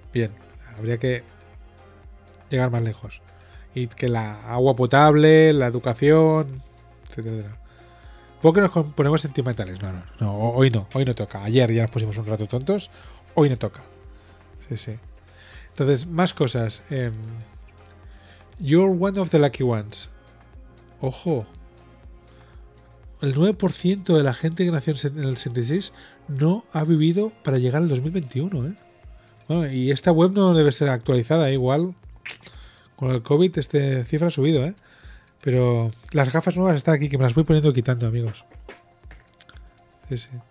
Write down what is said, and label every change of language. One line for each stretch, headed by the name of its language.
Spanish: Bien, habría que llegar más lejos. Y que la agua potable, la educación, etcétera. ¿Por qué nos ponemos sentimentales? No, no, no, hoy no, hoy no toca. Ayer ya nos pusimos un rato tontos, hoy no toca. Sí, sí. Entonces, más cosas.
English: You're one of the lucky ones.
Spanish: Ojo. El 9% de la gente que nació en el 66 no ha vivido para llegar al 2021, ¿eh? Bueno, y esta web no debe ser actualizada, ¿eh? Igual. Con el COVID, esta cifra ha subido, ¿eh? Pero las gafas nuevas están aquí, que me las voy poniendo y quitando, amigos. Sí, sí.